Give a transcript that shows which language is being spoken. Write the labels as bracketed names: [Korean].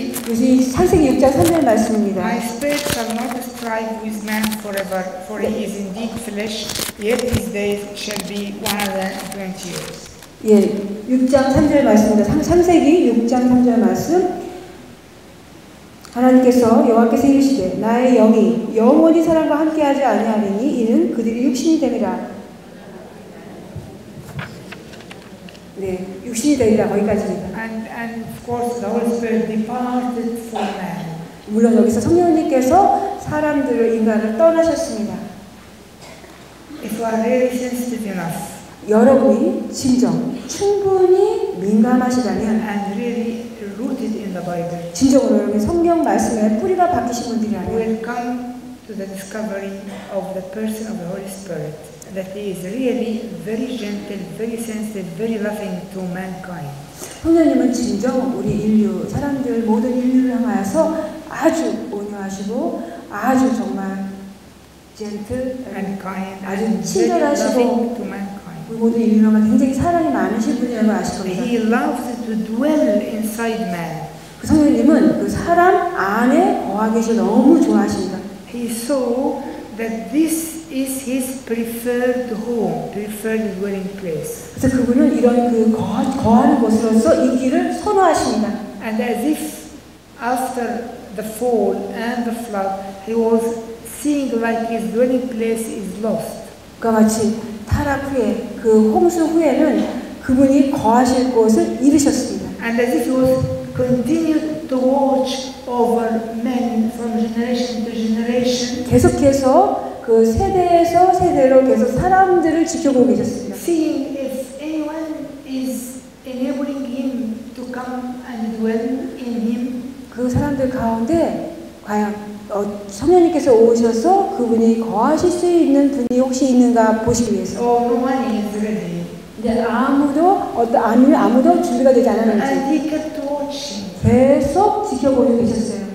[Korean] 이것이 창세기 6장 3절 말씀입니다. [English] My spirit shall not strive with man forever, for he is indeed flesh, yet his days shall be 120 years. [Korean] 예, 6장 3절 말씀입니다. 창세기 6장 3절 말씀. 하나님께서 여호와께서 이르시되 나의 영이 영원히 사람과 함께하지 아니하리니 이는 그들이 육신이 됨이라. 네, 육신이 되리라 거기까지입니다. [English] And of course the Holy Spirit departed from man. [Korean] 물론 여기서 성령님께서 사람들을 인간을 떠나셨습니다. [English] If you are really sensitive enough. [Korean] 여러분이 진정 충분히 민감하시다면 [English] and really rooted in the Bible. [Korean] 진정으로 여러분 성경 말씀에 뿌리가 박히신 분들이라면 [English] will come to the discovery of the person of the Holy Spirit. That he is really very gentle, very sensitive, very loving to mankind. [Korean] 성령님은 진정 우리 인류 사람들 모든 인류를 향하여서 아주 온유하시고 아주 정말 gentle [English] and kind, [Korean] 아주 친절하시고 [English] to mankind. [Korean] 우리 모든 인류가 굉장히 사랑이 많으신 분이라고 아시거든요. [English] He loves to dwell inside man. [Korean] 그 성령님은 그 사람 안에 거하고 계셔 너무 좋아하십니다. [English] He saw that this is his preferred home, preferred dwelling place. [Korean] 그래서 그분은 이런 그 거하는 곳으로서 이 길을 선호하십니다. [English] And as if after the fall and the flood, he was seeing like his dwelling place is lost. [Korean] 그러니까 마치 타락 후에 그 홍수 후에는 그분이 거하실 곳을 잃으셨습니다. [English] And as if he was continued to watch over men from generation to generation. [Korean] 계속해서 그 세대에서 세대로 계속 사람들을 지켜보고 계셨습니다. [English] Seeing if anyone is enabling him to come and dwell in him. [Korean] 그 사람들 가운데 과연 성령님께서 오셔서 그분이 거하실 수 있는 분이 혹시 있는가 보시기 위해서. [English] Oh, no one is ready. [Korean] 아무도 아무도 준비가 되지 않았는지. [English] And he kept watching. [Korean] 계속 지켜보고 계셨어요.